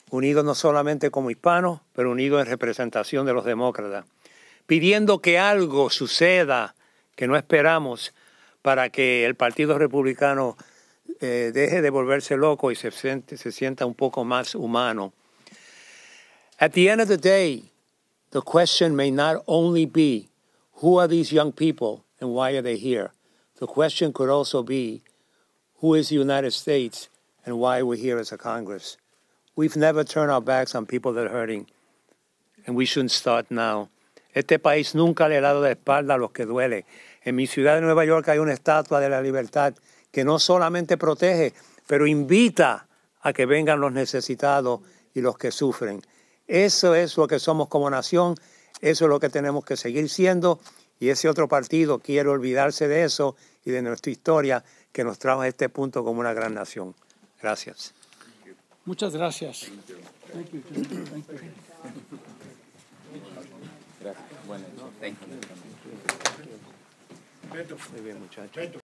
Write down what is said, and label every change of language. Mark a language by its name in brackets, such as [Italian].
[Spanish] Unidos no solamente como hispanos, pero unidos en representación de los demócratas. Pidiendo que algo suceda que no esperamos para que el Partido Republicano deje de volverse loco y se sienta un poco más humano. [English] At the end of the day, the question may not only be, who are these young people and why are they here? The question could also be, who is the United States and why we're here as a Congress? We've never turned our backs on people that are hurting, and we shouldn't start now. [Spanish] Este país nunca le ha dado la espalda a los que duele. En mi ciudad de Nueva York hay una estatua de la libertad que no solamente protege, pero invita a que vengan los necesitados y los que sufren. Eso es lo que somos como nación, eso es lo que tenemos que seguir siendo, Y ese otro partido quiere olvidarse de eso y de nuestra historia que nos trajo a este punto como una gran nación. Gracias. Muchas gracias. [English] Thank you. Thank you. Thank you. Thank you. [Spanish] Muy bien, muchachos.